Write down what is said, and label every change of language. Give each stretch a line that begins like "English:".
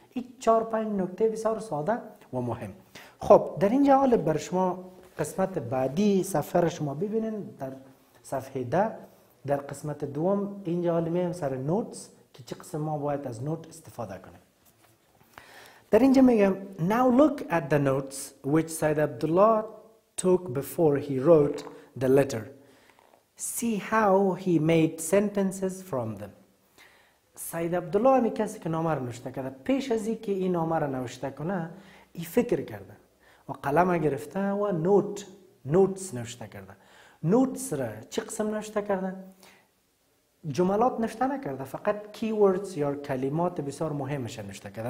Persian: این چهار پنج نکته بسیار ساده و مهم. خب در اینجا حالا بر شما قسمت بعدی صفحه را شما ببینین در صفحه ده، در قسمت دوم اینجا حالا میایم سر نوتس که چه قسم ما باید از نوت استفاده کنیم. در اینجا میگم
English: Now look at the notes which Said Abdullah took before he wrote the letter. See how he made sentences from them.
Persian: سید عبدالله همی کسی که نامه را نوشته کرده، پیش از این که این نامه را نوشته کنه این فکر کرده و قلم را گرفته و نوتس نوشته کرده. نوتس را چه قسم نوشته کرده؟ جملات نوشته نکرده، فقط کیوردز یا کلمات بسیار مهمش را نوشته کرده.